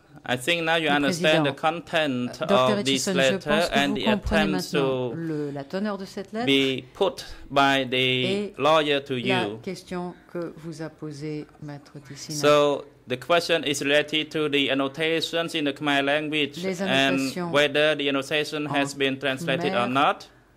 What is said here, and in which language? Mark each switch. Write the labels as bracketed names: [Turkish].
[English] I think now you understand the content of this letter and the attempts to [French] la teneur de cette lettre [English] be put by the lawyer to you. [French] La question que vous a posée Maître Tissina. [English] So the question is related to the annotations in the Khmer language and whether the annotation has been translated or not.